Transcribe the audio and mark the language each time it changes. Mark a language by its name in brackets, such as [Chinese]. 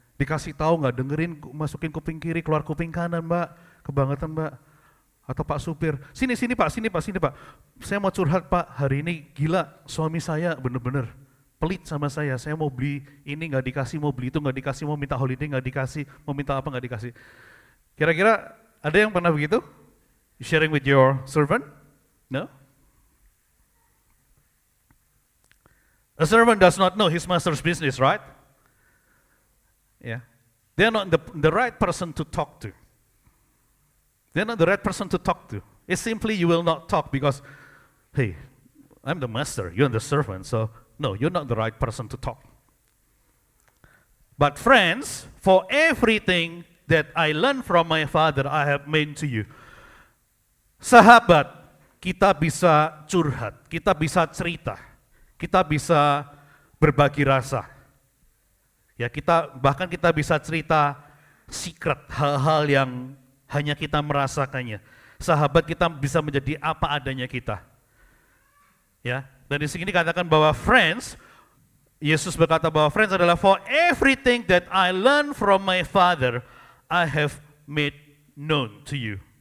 [Indonesian] Dikasih tahu nggak, dengerin, masukin kuping kiri, keluar kuping kanan, Mbak. Kebangetan, Mbak. Atau Pak supir, sini Pak. Saya mau curhat, Pak. Hari ini gila, suami saya benar-benar pelit sama saya. Saya mau beli ini nggak dikasih, mau beli itu nggak dikasih, mau minta holiday nggak dikasih, mau minta apa nggak dikasih. Kira-kira ada yang pernah begitu? [English] Sharing with your servant? No? A servant does not know his master's business, right? Yeah. They're not the right person to talk to. They're not the right person to talk to. It's simply you will not talk because, hey, I'm the master, you're the servant, so no, you're not the right person to talk. But friends, for everything that I learned from my father, I have made to you. [Indonesian] Sahabat, kita bisa curhat, kita bisa cerita, kita bisa berbagi rasa. Ya, kita bahkan kita bisa cerita secret, hal-hal yang hanya kita merasakannya. Sahabat, kita bisa menjadi apa adanya kita. Ya, dan di sini dikatakan bahwa friends, Yesus berkata bahwa friends adalah [English] for everything that I learned from my father, I have made known to you.